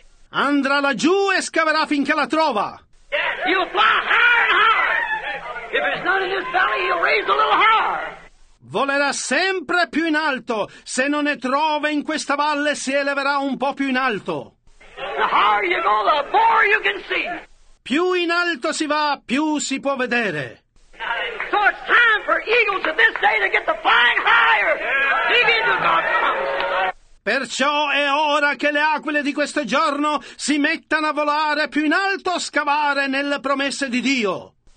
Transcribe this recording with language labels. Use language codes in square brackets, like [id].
[it] Andrà laggiù e scaverà finché la trova. [en] He'll fly higher and higher. If it's not in this valley, he'll raise a little higher. [it] Volerà sempre più in alto. Se non ne trova in questa valle, si eleverà un po' più in alto. [en] The higher you go, the more you can see. [it] Più in alto si va, più si può vedere. [en] So it's time for eagles of this day to get the flying higher. Begin to God. [it] Perciò è ora che le aquile di questo giorno si mettano a volare più in alto, a scavare nelle promesse di Dio.